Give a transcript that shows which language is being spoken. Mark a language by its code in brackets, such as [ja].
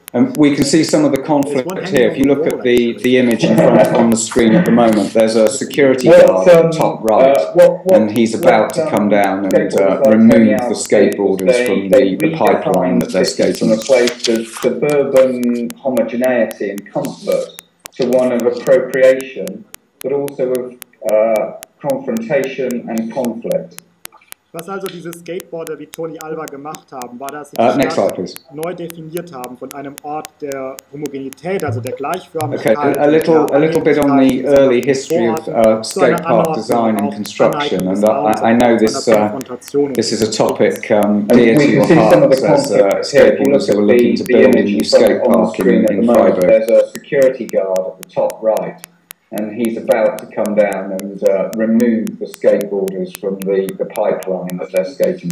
[en] And we can see some of the conflict here. If you look at the image in front on the screen at the moment, there's a security guard top right, and he's about to come down and remove the skateboarders from the pipeline that they're skating. From a place of suburban homogeneity and comfort to one of appropriation, but also of confrontation and conflict. [de] Was also diese Skateboarder wie Tony Alva gemacht haben, war, dass sie die Stadt neu definiert haben von einem Ort der Homogenität, also der Gleichförmigkeit. [en] Okay, a little bit on the early history of skate park design and construction, and I know this is a topic dear to your hearts as skateboarders who are looking to build a new skate park in Freiburg. There's a security guard at the top right. And he's about to come down and remove the skateboarders from the pipeline that they're skating